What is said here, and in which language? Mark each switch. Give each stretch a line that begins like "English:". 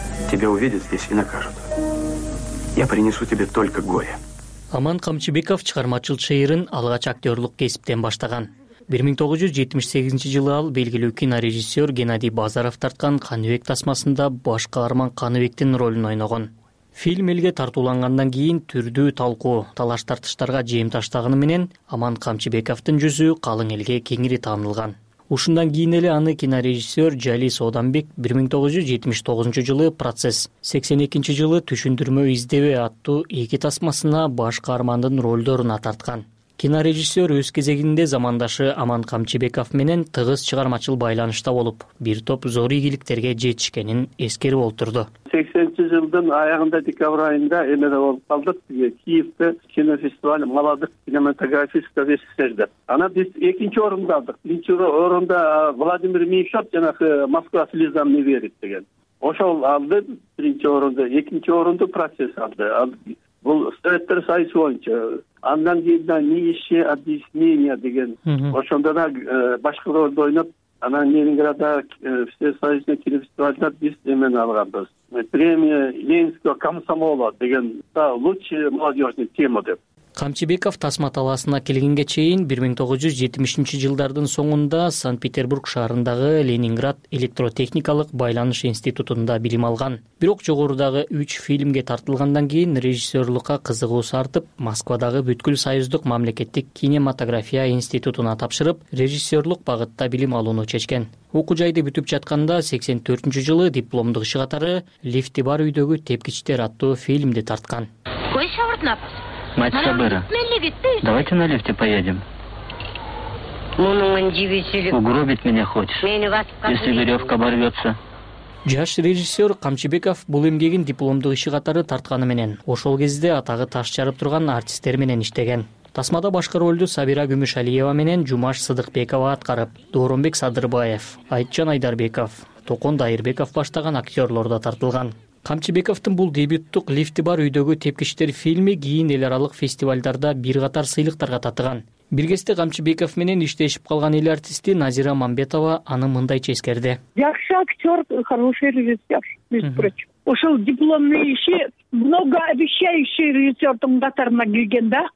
Russian: Тебя увидят здесь и накажут. Я принесу тебе только горе.
Kyrgyz: Аман Камчыбеков чыгармачыл чыйырын алгач актёрлук кесиптен баштаган. 1978-жылы ал белгилүү кинорежиссер Геннадий Базаров тарткан Каныбек тасмасында баш каарман Каныбектин ролун ойногон. Фильм элге тартууланганган кийин түрдүү талкуу, талаш тартыштарга жем таштаганы менен Аман Камчыбековдун жүзү калың элге кеңири таанылган. Ушундан кийин эле аны кинорежиссер Жалис Оданбек 1979-жылы «Процесс», 82-жылы «Түшүндүрмө издебе» аттуу эки тасмасына баш каармандын ролдоруна тарткан. Кинорежиссер өз кезегинде замандашы Аман Камчыбеков менен тыгыз чыгармачыл байланышта болуп, бир топ зор ийгиликтерге жетишкенин эскерип олтурду. 80-чи жылдын аягында декабрь айында эмеде болуп калдык.
Russian: Киевде кинофестиваль Молодых кинематографистов СССР.
Kyrgyz: Ана биз экинчи орунда алдык. Биринчи орунда Владимир Меньшов жанагы Москва слезам не верит деген. Ошол алды биринчи орунду, экинчи орунду Процесс алды. Бул советтер союзу боюнча андан кийин да Нищие объяснения деген ошондо да башка ролду ойноп анан Ленинграда всесоюзный кинофестивальда биз эмени алганбыз.
Russian: Премия Ленинского комсомола деген лучшая молодежная тема деп.
Kyrgyz: Камчыбеков Тасма талаасына келгенге чейин 1970-жылдардын соңунда Санкт-Петербург шаарындагы Ленинград электротехникалык байланыш институтунда билим алган. Бирок жогорудагы 3 фильмге тартылгандан кийин режиссерлукка кызыгуусу артып, Москвадагы Бүткүл союздук мамлекеттик кинематография институтуна тапшырып, режиссерлук багытта билим алууну чечкен. Окуу жайды бүтүп жатканда 84-жылы дипломдук иши катары Лифти бар үйдөгү тепкичтер аттуу фильмди тарткан.
Russian: Мать Сабыра, давайте на лифте поедем. Угробить меня хочешь, если веревка оборвется.
Kyrgyz: Жаш режиссер Камчыбеков бул эмгегин дипломдук иши катары тартканы менен, ошол кезде атагы таш жарып турган артисттер менен иштеген. Тасмада башкы ролду Сабира Гүмүшалиева менен Жумаш Сыдыкбекова аткарып, Дооронбек Садырбаев, Айтжан Айдарбеков, Токон Дайырбеков баштаган актерлор да тартылган. Камчыбековдун бул дебюттук Лифти бар үйдөгү тепкичтер фильми кийин эл аралык фестивалдарда бир катар сыйлыктарга татыган. Бир кезде Камчыбеков менен иштешип калган эл артисти Назира Мамбетова аны мындайча эскерди. Жакшы актер, хороший режиссер, между прочим. Ошол дипломный иши много обещающий режиссердун катарына келген да.